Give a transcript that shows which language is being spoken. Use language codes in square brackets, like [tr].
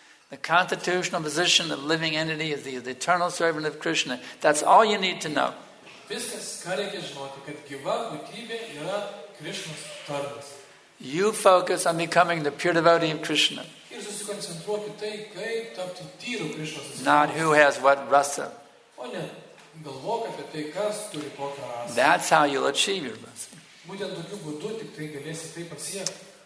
[en] The constitutional position of living entity is the eternal servant of Krishna. That's all you need to know. [lt] Viskas, ką reikia žinoti, kad gyva būtybė yra Krishnos tarnas. [en] You focus on becoming the pure devotee of Krishna. [lt] Ir susikoncentruok į tai, kaip tapti tyru Krishnos. [en] Not who has what rasa. [lt] O ne galvok apie tai, kas turi kokią rasą. [en] That's how you'll achieve your rasa. [lt] Būtent tokiu būdu tik tai galėsi tai pasiekti.